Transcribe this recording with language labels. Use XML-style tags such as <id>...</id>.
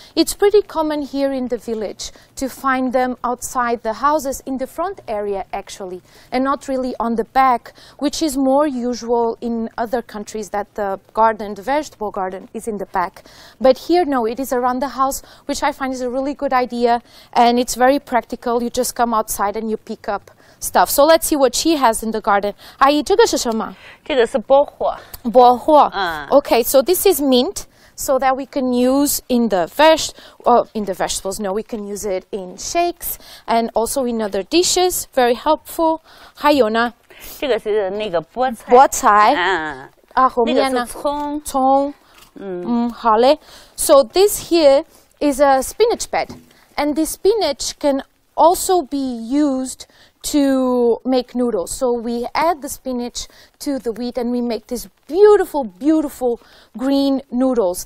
<en>It's pretty common here in the village to find them outside the houses in the front area, actually, and not really on the back, which is more usual in other countries that the garden, the vegetable garden, is in the back. But here, no, it is around the house, which I find is a really good idea, and it's very practical. You just come outside and you pick up stuff. So let's see what she has in the garden.</en> <zh>阿姨，这个是什么？这个是薄荷。薄荷.</zh> <en>Okay, so this is mint, so that we can use in the vegetables. No, we can use it in shakes and also in other dishes. Very helpful. 还有呢？这个是那个菠菜。菠菜. Ah,后面呢？那个是葱。葱.</en> <zh>Mm. 嗯，好嘞.</zh> <en>So this here is a spinach bed, and this spinach can also be used to make noodles. So we add the spinach to the wheat and we make these beautiful, beautiful green noodles.</en>